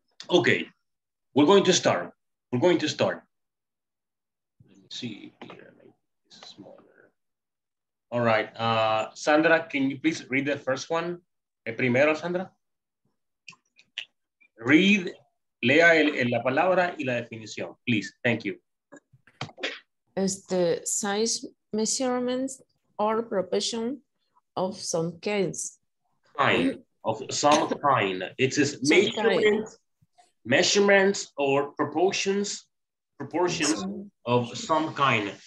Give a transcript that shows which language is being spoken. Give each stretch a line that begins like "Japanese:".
English: Okay, we're going to start. We're going to start. Let me see here, make this smaller. All right, Sandra, can you please read the first one?
Spanish: El primero, Sandra. Read, lea la palabra y la definición, please.
English: Thank you. Is the size measurements or proportion of some kinds? Kind, of some kind. It is measurement. Measurements or proportions of some kind.